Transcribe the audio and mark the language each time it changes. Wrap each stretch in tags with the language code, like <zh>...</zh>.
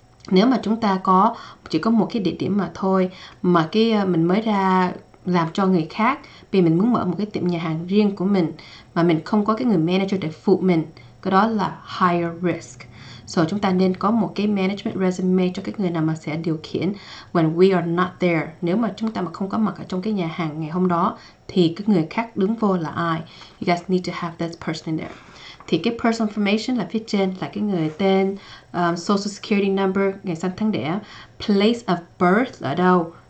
<vi>Nếu mà chúng ta có chỉ có một cái địa điểm mà thôi mà cái mình mới ra làm cho người khác vì mình muốn mở một cái tiệm nhà hàng riêng của mình mà mình không có cái người manager để phụ mình, cái đó là</vi> <en>higher risk.</en> <vi>So chúng ta nên có một cái management resume cho cái người nào mà sẽ điều khiển</vi> <en>when we are not there.</en> <vi>Nếu mà chúng ta mà không có mặt ở trong cái nhà hàng ngày hôm đó thì cái người khác đứng vô là ai?</vi> <en>You guys need to have this person in there.</en> <vi>Thì cái personal information là phía trên là cái người tên, social security number, ngày sinh tháng đẻ,</vi> <en>place of birth</en> <vi>ở đâu.</vi>